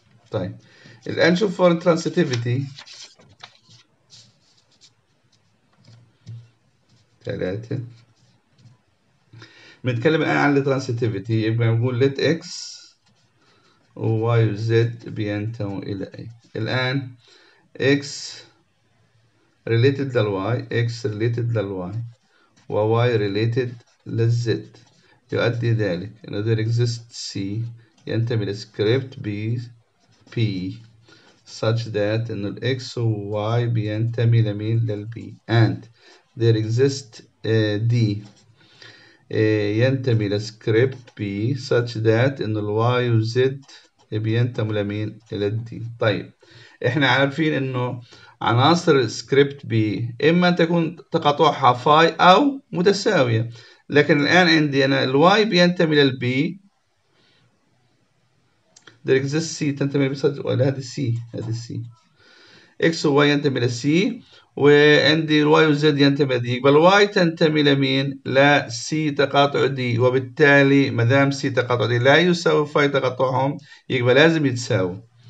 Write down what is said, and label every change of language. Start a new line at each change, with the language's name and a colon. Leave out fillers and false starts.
Arabic: طيب الآن شوف
English: for transitivity
Arabic: ثلاثة، بنتكلم الآن عن الترانسيتيفيتي. يبقى نقول let x و y و z بينتموا إلى A. الآن x related لل y، x related لل y و y related لل z يؤدي ذلك إنه
English: there exists C
Arabic: ينتمي لسكريبت B P
English: such that
Arabic: إنه ال x و y بينتمي لمين؟ لل B.
English: and there exists D
Arabic: ينتمي لسكريبت B
English: such that
Arabic: إنه ال y و z بينتموا لمين؟ إلى الدي. طيب إحنا عارفين إنه عناصر سكريبت بي إما تكون تقاطعها فاي أو متساوية، لكن الآن عندي أنا الواي بينتمي للبي،
English: there exists
Arabic: سي تنتمي لهذه السي، هذه السي إكس وواي ينتمي للسي، وعندي الواي وزد ينتمي لدي، يبقى الواي تنتمي لمين؟ لا سي تقاطع دي، وبالتالي ما دام سي تقاطع دي لا يساوي فاي تقاطعهم، يبقى لازم يتساوي.